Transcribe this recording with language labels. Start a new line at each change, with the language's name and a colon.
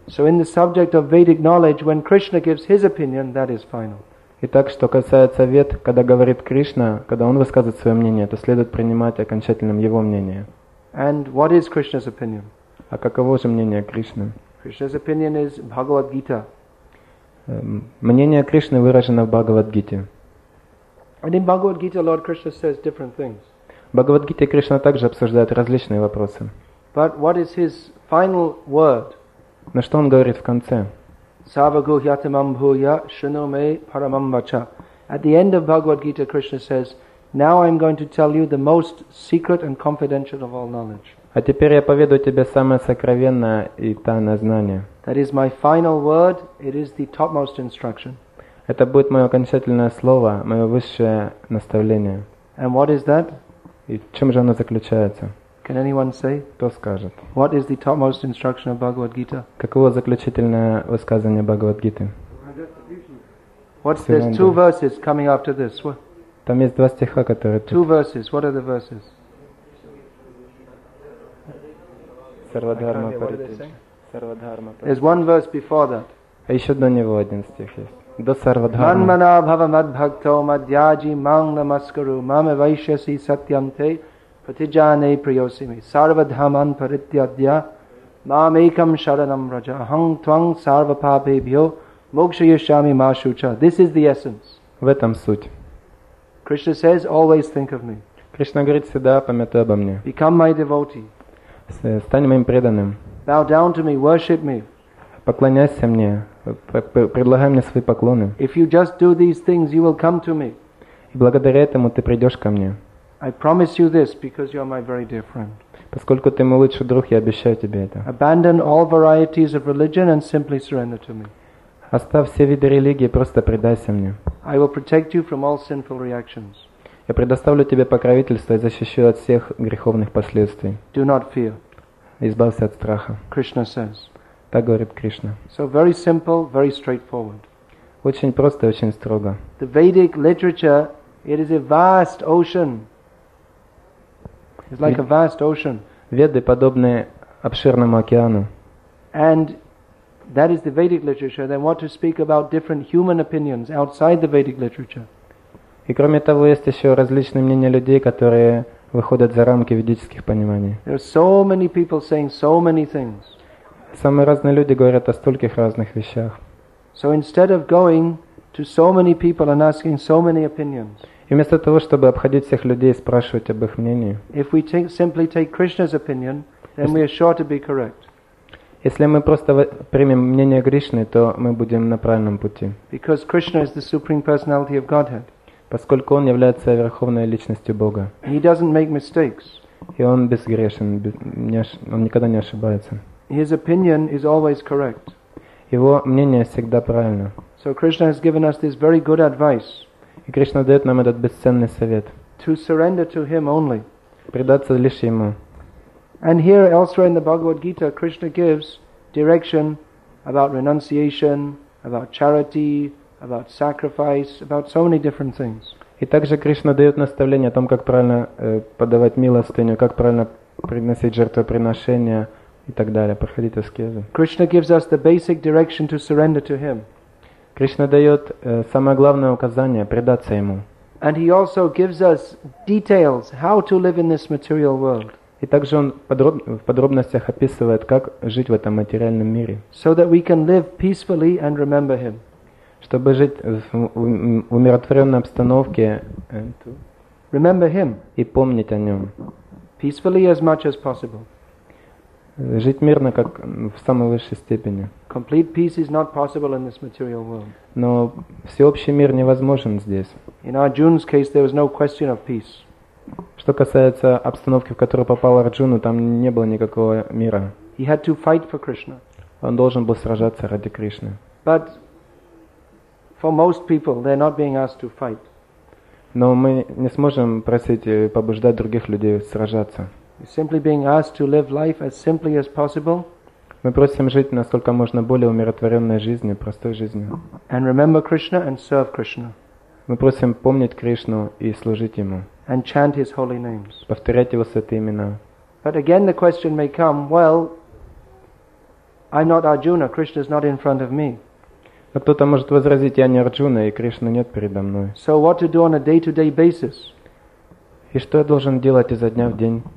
English: So in the subject of Vedic knowledge, when Krishna gives his opinion, that is final.
Russian: Итак, что касается Вед, когда говорит Кришна, когда он высказывает свое мнение, то следует принимать окончательным его мнение.
English: And what is Krishna's opinion?
Russian: А каково же мнение Кришны?
English: Krishna's opinion is Bhagavad Gita.
Russian: Мнение Кришны выражено в Бхагавад-гите.
English: And in Bhagavad Gita, Lord Krishna says different things.
Russian: В Бхагавад-гите Кришна также обсуждает различные вопросы.
English: But what is his final word?
Russian: На что он говорит в конце?
Sanskrit: Savaguhyatamambhuya shunome paramambacha.
English: At the end of Bhagavad Gita, Krishna says, now I'm going to tell you the most secret and confidential of all knowledge.
Russian: А теперь я поведу тебе самое сокровенное и тайное знание.
English: That is my final word, it is the topmost instruction.
Russian: Это будет мое окончательное слово, мое высшее наставление.
English: And what is that?
Russian: И в чем же оно заключается?
English: Can anyone say?
Russian: Кто скажет?
English: What is the topmost instruction of Bhagavad Gita?
Russian: Каково заключительное высказывание Бхагавад Гиты?
English: What's there's two verses coming after this? What?
Russian: Там есть два стиха, которые.
English: Two verses. What are the verses?
Sanskrit: Сарвадхарма паритеча.
English: There's one verse before that.
Russian: А еще до него один стих есть. До сарвадхарма.
Sanskrit: Манмана бхава мадбхакто мадьяджи манг намаскару маме вайшеси сатьянте. Patijane priyosimi sarvadhaman parityadya mam ekam sharanam raja aham tvam sarva papebhyo mokshayishyami ma shucha.
English: This is the essence.
Russian: В этом суть.
English: Krishna says, always think of me.
Russian: Кришна говорит, всегда помятуй обо мне.
English: Become my devotee.
Russian: Стань моим преданным.
English: Bow down to me, worship me.
Russian: Поклоняйся мне, предлагай мне свои поклоны.
English: If you just do these things, you will come to me.
Russian: И благодаря этому ты придешь ко мне.
English: I promise you this because you are my very dear friend.
Russian: Поскольку ты мой лучший друг, я обещаю тебе это.
English: Abandon all varieties of religion and simply surrender to me.
Russian: Оставь все виды религии, просто предайся мне.
English: I will protect you from all sinful reactions.
Russian: Я предоставлю тебе покровительство и защищу от всех греховных последствий.
English: Do not fear.
Russian: Избавься от страха.
English: Krishna says.
Russian: Так говорит Кришна.
English: So very simple, very straightforward.
Russian: Очень просто и очень строго.
English: The Vedic literature, it is a vast ocean. It's like a vast ocean.
Russian: Веды подобны обширному океану.
English: And that is the Vedic literature. Then what to speak about different human opinions outside the Vedic literature?
Russian: И кроме того, есть еще различные мнения людей, которые выходят за рамки ведических пониманий.
English: There are so many people saying so many things.
Russian: Самые разные люди говорят о стольких разных вещах.
English: So instead of going to so many people and asking so many opinions.
Russian: И вместо того, чтобы обходить всех людей и спрашивать об их мнении,
English: if we simply take Krishna's opinion, then we are sure to be correct.
Russian: Если мы просто примем мнение Кришны, то мы будем на правильном пути.
English: Because Krishna is the supreme personality of Godhead.
Russian: Поскольку он является верховной личностью Бога.
English: He doesn't make mistakes.
Russian: И он безгрешен, он никогда не ошибается.
English: His opinion is always correct.
Russian: Его мнение всегда правильно.
English: So Krishna has given us this very good advice.
Russian: И Кришна дает нам этот бесценный совет.
English: To surrender to him only.
Russian: Предаться лишь ему.
English: And here elsewhere in the Bhagavad Gita, Krishna gives direction about renunciation, about charity, about sacrifice, about so many different things.
Russian: И также Кришна дает наставление о том, как правильно подавать милостыню, как правильно приносить жертвоприношения и так далее, проходить аскезу.
English: Krishna gives us the basic direction to surrender to him.
Russian: Кришна дает самое главное указание – предаться ему.
English: And he also gives us details how to live in this material world.
Russian: И также он в подробностях описывает, как жить в этом материальном мире.
English: So that we can live peacefully and remember him.
Russian: Чтобы жить в умиротворенной обстановке
English: remember him.
Russian: И помнить о нем.
English: Peacefully as much as possible.
Russian: Жить мирно, как в самой высшей степени.
English: Complete peace is not possible in this material world.
Russian: Но всеобщий мир невозможен здесь.
English: In Arjuna's case, there was no question of peace.
Russian: Что касается обстановки, в которую попал Арджуна, там не было никакого мира.
English: He had to fight for Krishna.
Russian: Он должен был сражаться ради Кришны.
English: But for most people, they're not being asked to fight.
Russian: Но мы не сможем просить и побуждать других людей сражаться.
English: Simply being asked to live life as simply as possible.
Russian: Мы просим жить насколько можно более умиротворенной жизнью, простой жизнью.
English: And remember Krishna and serve Krishna.
Russian: Мы просим помнить Кришну и служить ему.
English: And chant his holy names.
Russian: Повторять его святые имена.
English: But again, the question may come: Well, I'm not Arjuna. Krishna is not in front of me.
Russian: Но кто-то может возразить: Я не Арджуна, и Кришны нет передо мной.
English: So what to do on a day-to-day basis?
Russian: И что я должен делать изо дня в день?